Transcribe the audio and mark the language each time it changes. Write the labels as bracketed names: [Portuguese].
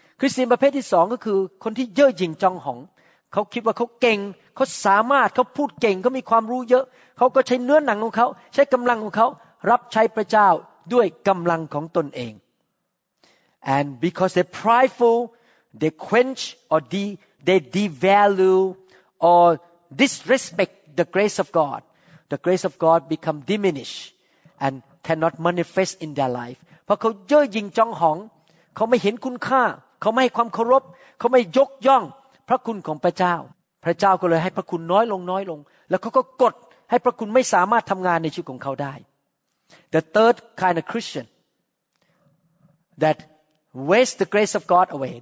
[Thai] Christian ประเภทที่สองก็คือคนที่เย่อหยิ่งจองหองเขาคิดว่าเขาเก่งเขาสามารถเขาพูดเก่งเขามีความรู้เยอะเขาก็ใช้เนื้อหนังของเขาใช้กำลังของเขารับใช้พระเจ้าด้วยกำลังของตนเอง [English] And because they're prideful, they quench or they devalue or disrespect. The grace of God, the grace of God become diminished and cannot manifest in their life. [Thai] เพราะเขาเย่อหยิ่งจองหองเขาไม่เห็นคุณค่าเขาไม่ให้ความเคารพเขาไม่ยกย่องพระคุณของพระเจ้าพระเจ้าก็เลยให้พระคุณน้อยลงน้อยลงแล้วเขาก็กดให้พระคุณไม่สามารถทำงานในชีวิตของเขาได้ [English] The third kind of Christian that waste the grace of God away.